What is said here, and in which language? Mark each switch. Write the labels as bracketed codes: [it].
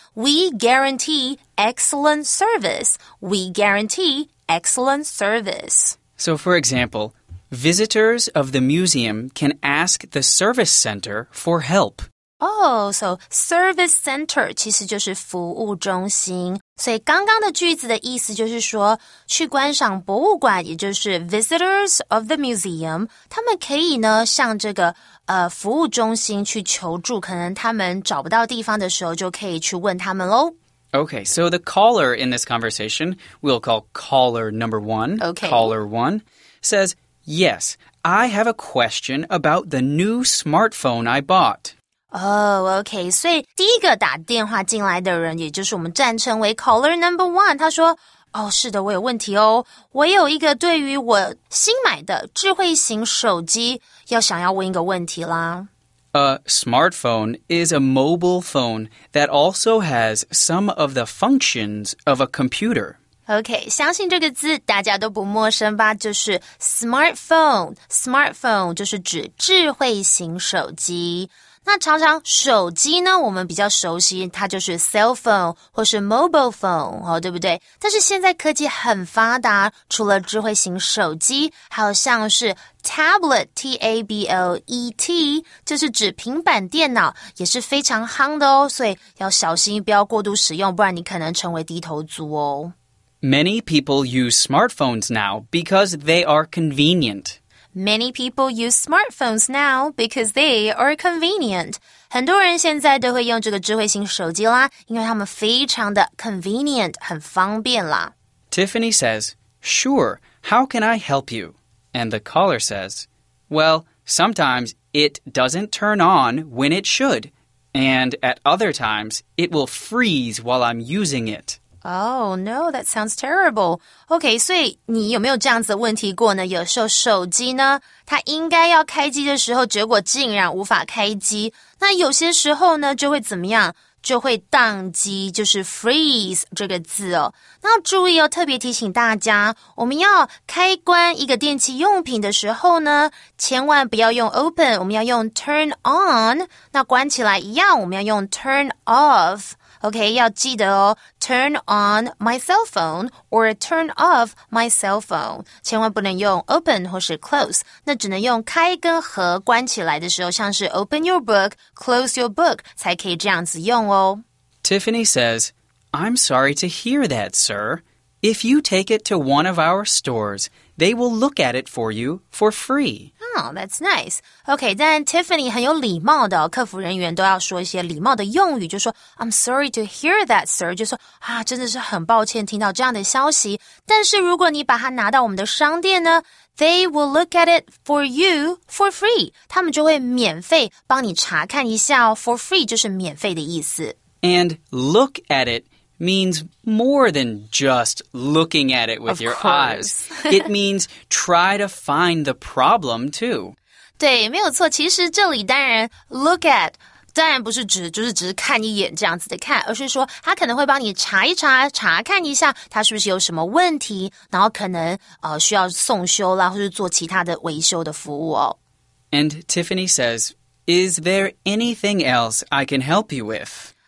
[en] We guarantee excellent service. We guarantee excellent service. So for example,visitors of the museum can ask the service center for help. Oh, so service center [zh] 其实就是服务中心。所以刚刚的句子的意思就是说，去观赏博物馆，也就是 [en] visitors of the museum, [zh] 他们可以呢向这个服务中心去求助，可能他们找不到地方的时候就可以去问他们咯。 [en] Okay, so the caller in this conversation, we'll call caller number one, okay. Caller one, says,Yes, I have a question about the new smartphone I bought. Oh, okay. [zh] 所以第一个打电话进来的人，也就是我们暂称为 [en] caller number one, [zh] 他说，哦，是的，我有问题哦。我有一个对于我新买的智慧型手机要想要问一个问题啦。 [en] A smartphone is a mobile phone that also has some of the functions of a computer. [zh] OK, 相信这个字大家都不陌生吧，就是 smartphone, smartphone 就是指智慧型手机。那常常手机呢，我们比较熟悉，它就是 cell phone 或是 mobile phone,、哦、对不对？但是现在科技很发达，除了智慧型手机，还有像是 tablet, T-A-B-L-E-T, 就是指平板电脑，也是非常夯的哦，所以要小心不要过度使用，不然你可能成为低头族哦。 [en] Many people use smartphones now because they are convenient. Many people use smartphones now because they are convenient. [zh] 很多人现在都会用这个智慧型手机啦，因为他们非常的 convenient, 很方便啦。 [en] Tiffany says, Sure, how can I help you? And the caller says, Well, sometimes it doesn't turn on when it should. And at other times, it will freeze while I'm using it. Oh, no, that sounds terrible. [zh] Okay, 所以你有没有这样子的问题过呢？有时候手机呢，它应该要开机的时候，结果竟然无法开机。那有些时候呢，就会怎么样？就会宕机，就是 freeze 这个字哦。那要注意哦，特别提醒大家，我们要开关一个电器用品的时候呢，千万不要用 open, 我们要用 turn on。那关起来一样，我们要用 turn off。 [en] OK, [zh] 要记得哦 [en] turn on my cell phone or turn off my cell phone. [zh] 千万不能用 open 或是 close, 那只能用开跟合关起来的时候，像是 [en] open your book, close your book, [zh] 才可以这样子用哦。 [en] Tiffany says, I'm sorry to hear that, sir. If you take it to one of our stores, they will look at it for you for free. Oh, that's nice. [zh] Okay, 但 Tiffany 很有礼貌的、哦、客服人员都要说一些礼貌的用语，就说 [en] I'm sorry to hear that, sir. [zh] 就说啊，真的是很抱歉听到这样的消息。但是如果你把它拿到我们的商店呢 ， [en] they will look at it for you for free. [zh] 他们就会免费帮你查看一下哦。For free 就是免费的意思。 [en] And look at it means more than just looking at it with your eyes. It means try to find the problem, too. [zh] 对，没有错。其实这里当然 look at 当然不是指就是只是看一眼这样子的看，而是说他可能会帮你查一查，查看一下他是不是有什么问题，然后可能需要送修啦，或是做其他的维修的服务哦。 [en] And Tiffany says, "Is there anything else I can help you with?"